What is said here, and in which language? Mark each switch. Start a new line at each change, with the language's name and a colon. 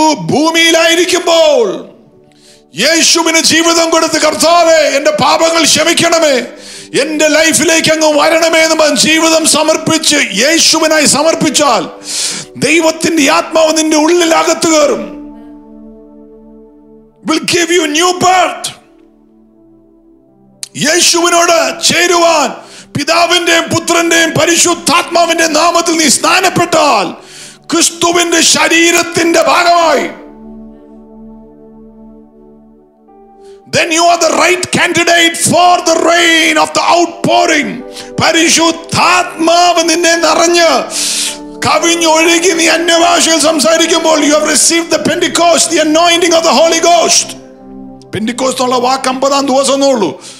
Malayalam: ഭൂമിയിലായിരിക്കുമ്പോൾ യേശുവിന് ജീവിതം കൊടുത്ത് കർത്താവേ എന്റെ പാപങ്ങൾ ക്ഷമിക്കണമേ, എന്റെ ലൈഫിലേക്ക് അങ്ങ് വരണമേ എന്ന് ജീവിതം സമർപ്പിച്ച് യേശുവിനായി സമർപ്പിച്ചാൽ ദൈവത്തിന്റെ ആത്മാവ് നിന്റെ ഉള്ളിൽ അകത്തു കയറും,
English: Will give you new birth.
Malayalam: യേശുവിനോട് ചേരുവാൻ പിതാവിന്റെയും പുത്രന്റെയും പരിശുദ്ധാത്മാവിന്റെ നാമത്തിൽ നീ സ്നാനപ്പെട്ടാൽ ക്രിസ്തുവിന്റെ ശരീരത്തിന്റെ ഭാഗമായി.
English: Then you are the right candidate for the rain of the outpouring.
Malayalam: പരിശുദ്ധാത്മാവ് നിന്നെ നിറഞ്ഞ് കവിഞ്ഞൊഴുകി നീ അന്യഭാഷയിൽ സംസാരിക്കുമ്പോൾ
English: you have received the Pentecost, the anointing of the Holy Ghost.
Malayalam: Pentecost എന്നുള്ള വാക്ക് 50 ദിവസമേ ഉള്ളൂ.